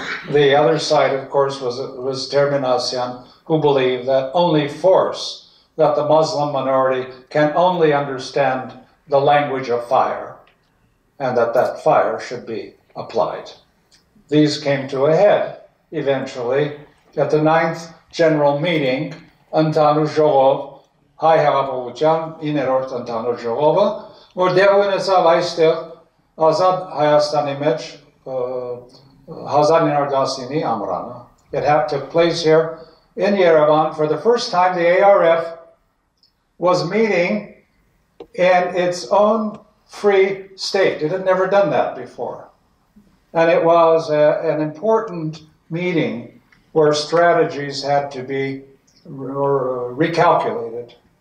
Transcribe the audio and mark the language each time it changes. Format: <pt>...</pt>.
<en>The other side, of course, was Terminasyan, who believed that only force, that the Muslim minority can only understand the language of fire, and that that fire should be applied. These came to a head eventually at the 9th general meeting.</en> <hy>Ընդհանուր ժողով, հայ հեղափոխության 9-րդ ընդհանուր ժողովը, որ դեր ունեցավ այստեղ ազատ Հայաստանի մեջ 1919-ի ամռանը.</hy> <en>It took place here in Yerevan. For the first time, the ARF was meeting in its own free state. It had never done that before. And it was an important meeting where strategies had to be recalculated.</en>